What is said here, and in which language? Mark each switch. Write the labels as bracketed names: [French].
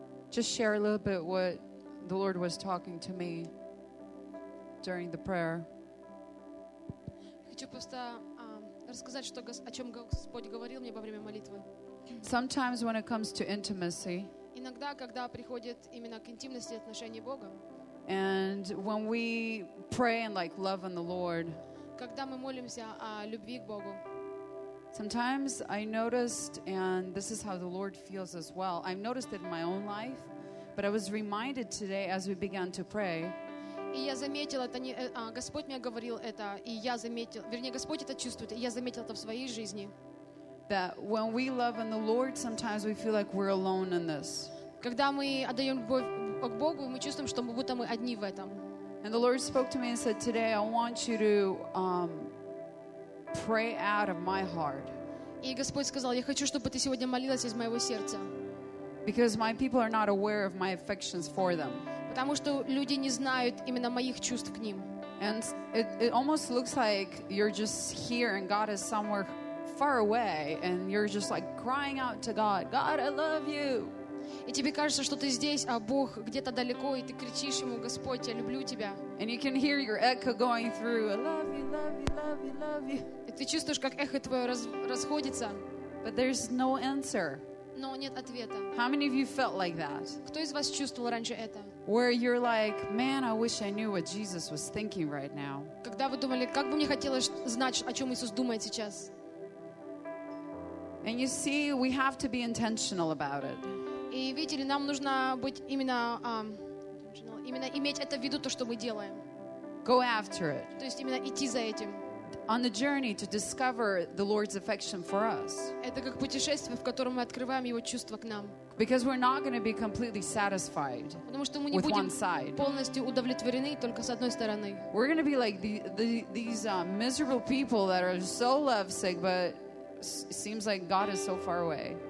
[English] Just share a little bit what the Lord was talking to me during the prayer. [Russian] Хочу просто рассказать, что о чем Господь говорил мне во время молитвы. [English] Sometimes when it comes to intimacy. [Russian] Иногда, когда приходит именно к интимности отношений Бога. [English] And when we pray and like love in the Lord. [Russian] Когда мы молимся о любви к Богу. [English] Sometimes I noticed, and this is how the Lord feels as well. I've noticed it in my own life, but I was reminded today as we began to pray. [Russian] И я заметила, это не Господь мне говорил это, и я заметила, вернее, Господь это чувствует, и я заметила это в своей жизни. [English] That when we love in the Lord, sometimes we feel like we're alone in this. [Russian] Когда мы отдаем любовь к Богу, мы чувствуем, что мы будто мы одни в этом. [English] And the Lord spoke to me and said, today I want you to pray out of my heart. [Russian] И Господь сказал, я хочу, чтобы ты сегодня молилась из моего сердца. [English] Because my people are not aware of my affections for them. [Russian] Потому что люди не знают именно моих чувств к ним. [English] And it almost looks like you're just here and God is somewhere far away and you're just like crying out to God, God, I love you. [Russian] И тебе кажется, что ты здесь, а Бог где-то далеко, и ты кричишь ему: Господь, я люблю тебя. [English] And you can hear your echo going through. I love you, love you, love you, love you. [Russian] И ты чувствуешь, как эхо твое расходится. [English] But there's no answer. [Russian] Но нет ответа. [English] How many of you felt like that? [Russian] Кто из вас чувствовал раньше это? [English] Where you're like, man, I wish I knew what Jesus was thinking right now. [Russian] Когда вы думали, как бы мне хотелось знать, о чем Иисус думает сейчас? [English] And you see, we have to be intentional about it. [Russian] И видите ли, нам нужно быть именно, именно иметь это в виду, то, что мы делаем. [English] Go after it. [Russian] То есть именно идти за этим. [English] On the journey to discover the Lord's affection for us. [Russian] Это как путешествие, в котором мы открываем Его чувства к нам. [English] Because we're not going to be completely satisfied with one side. [Russian] Потому что мы не будем полностью удовлетворены только с одной стороны. [English] We're going to be like these miserable people that are so lovesick, but it seems like God is so far away.